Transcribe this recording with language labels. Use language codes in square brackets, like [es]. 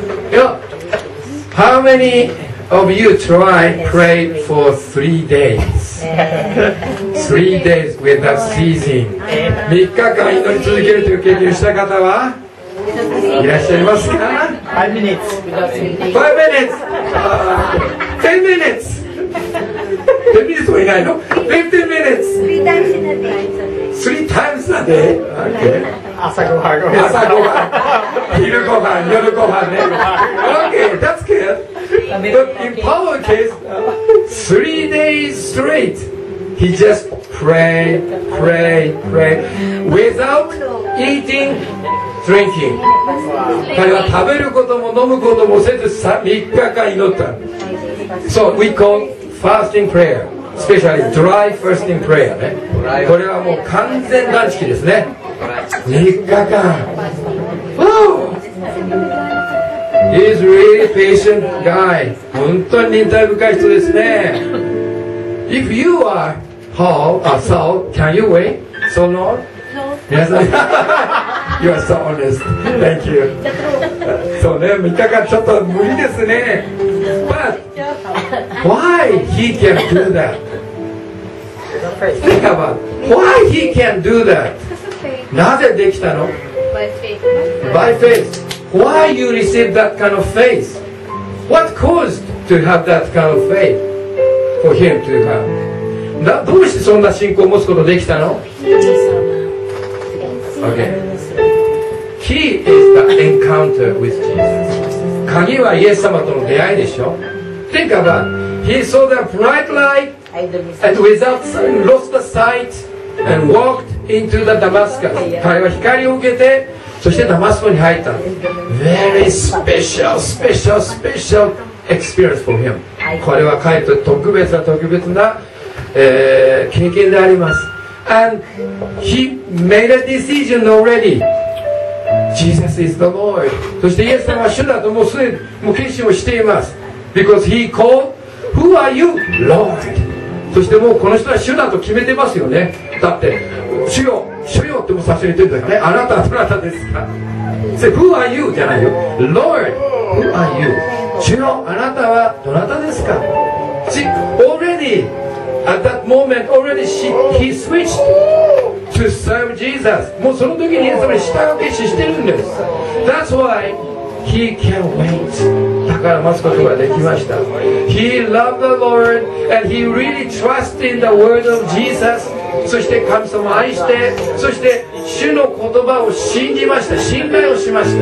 [en] You know, how many of you tried pray for 3 days? 3 days without ceasing. [ja] 3日間祈り続けるという経験をした方はいらっしゃいますか？ [en] 5 minutes. 5 minutes. 10 minutes. 10 minutes [ja] もいないの？ [en] 15 minutes. 3 times a day. 3 times a day? Okay. [ja] 朝ごはん、昼ごはん、夜ごはんね。 [en] OK, that's good. But in Paul's case, 3 days straight, he just pray without eating, drinking. [ja] 彼は食べることも飲むこともせず3日間祈った。 [en] So we call fasting prayer, especially dry fasting prayer. [ja] ね、これはもう完全断食ですね。 3日間 [en] He's really patient guy. [ja] 本当に忍耐深い人ですね。 [en] If you are Paul or Saul, can you wait so long? No. Yes, you are so honest. Thank you. [ja] そうね、3日間ちょっと無理ですね。 [en] But why he can do that? Think about why he can do that [ja] なぜできたの？ [en] By faith. By faith. Why you receive that kind of faith? What caused to have that kind of faith for him to have? [ja] どうしてそんな信仰を持つことができたの？ [en] Okay. Key is the encounter with Jesus. [ja] 鍵はイエス様との出会いでしょ？ [en] Think about it. He saw the bright light and without sun lost the sight. And walked into the Damascus. [ja] 彼は光を受けて、そしてダマスコに入った。 [en] Very special, special, special experience for him. [ja] これは彼と特別な、経験であります。 [en] And he made a decision already. Jesus is the Lord. [ja] そしてイエス様は主だと、もうすでにもう決心をしています。 [en] Because he called, Who are you, Lord? [ja] そしてもうこの人は主だと決めてますよね。だって主よ主よってもう最初に言ってるんだからね。あなたはどなたですか。 [en] Say, Who are you? [ja] じゃないよ。 [en] Lord, who are you? [ja] 主よあなたはどなたですか。 [en] See, already at that moment already he switched to serve Jesus. [ja] もうその時にイエス様に従う決心してるんです。 [en] That's why he can wait [ja] だから待つことができました。 [en] He loved the Lord and he really trusted in the word of Jesus. [ja] そして神様を愛して、そして主の言葉を信じました、信頼をしました。